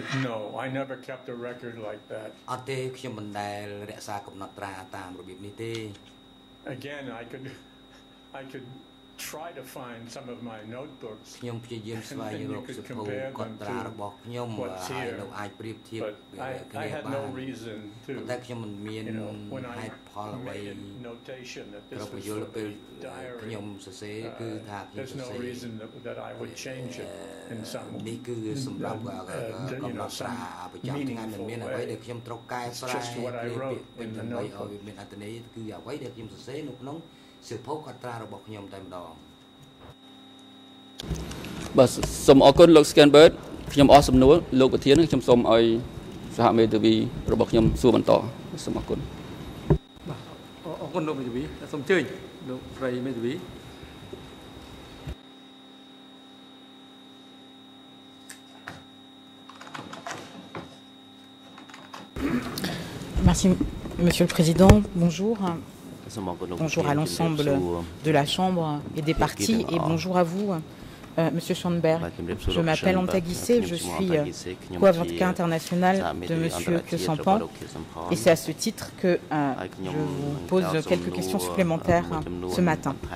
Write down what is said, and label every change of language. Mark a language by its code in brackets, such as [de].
[en] No, I never kept a record like that. [km] អត់ទេខ្ញុំមិនដែលរក្សាកំណត់ត្រាតាមរបៀបនេះទេ [en] Again, I could try to find some of my notebooks. [km] ខ្ញុំព្យាយាមស្វែងរកសៀវភៅកត់ត្រារបស់ខ្ញុំហើយនៅអាចប្រៀបធៀប គ្នាបាន [en] I had no reason to. [km] តែខ្ញុំមិនមានហេតុផលអ្វី ត្រូវយល់ពេល ខ្ញុំសរសេរគឺថាខ្ញុំសរសេរ There's no reason that I would change it in some នេះគឺសម្រាប់កំណត់ត្រាប្រចាំថ្ងៃមិនមានអ្វីដែលខ្ញុំត្រូវកែប្រែ ពីពី ដើម្បីឲ្យមានអត្ថន័យគឺអ្វីដែលខ្ញុំសរសេរនៅក្នុងសិពោកត្រារបស់ខ្ញុំតែម្ដង បាទសូមអរគុណលោក Scanbert ខ្ញុំអស់សំណួរលោកប្រធានខ្ញុំសូមឲ្យសហមេធាវីរបស់ខ្ញុំសួរបន្តសូមអរគុណបា ទអរគុណលោកមេធាវីសូមអញ្ជើញលោកព្រៃមេធាវី [fr] មកស៊ីមស៊ីលប្រេស៊ីដង bonjour Bonjour à l'ensemble de la Chambre et des partis, et bonjour à vous, Monsieur Sandberg. Je m'appelle Anta Gissé, je suis co-avocat international de Monsieur Kyosampan, et c'est à ce titre que je vous pose quelques questions supplémentaires ce matin.